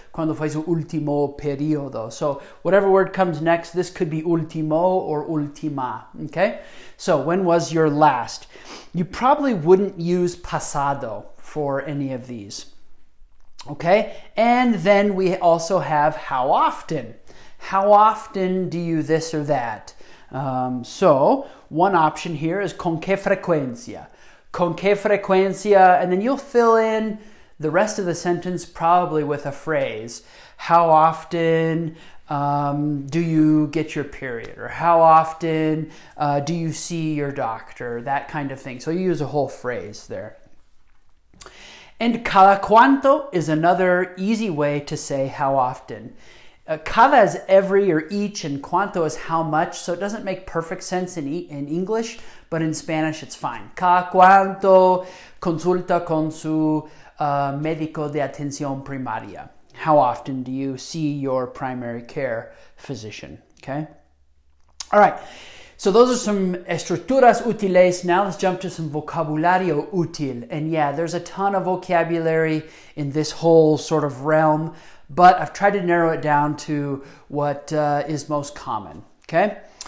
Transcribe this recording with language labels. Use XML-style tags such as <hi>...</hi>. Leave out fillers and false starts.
<es>¿Cuándo fue su último periodo?</es> <en>So, whatever word comes next, this could be último or última. Okay? So, when was your last? You probably wouldn't use pasado for any of these. Okay, and then we also have how often. How often do you this or that? So one option here is con qué frecuencia.</en> <es>Con qué frecuencia,</es> <en>and then you'll fill in the rest of the sentence probably with a phrase. How often do you get your period? Or how often do you see your doctor? That kind of thing. So you use a whole phrase there. And cada cuánto is another easy way to say how often. Cada is every or each, and cuánto is how much, so it doesn't make perfect sense in English, but in Spanish it's fine.</en> <es>Cada cuánto consulta con su médico de atención primaria.</es> <en>How often do you see your primary care physician, okay? All right, so those are some estructuras útiles. Now let's jump to some vocabulario útil. And yeah, there's a ton of vocabulary in this whole sort of realm, but I've tried to narrow it down to what is most common, okay?</en>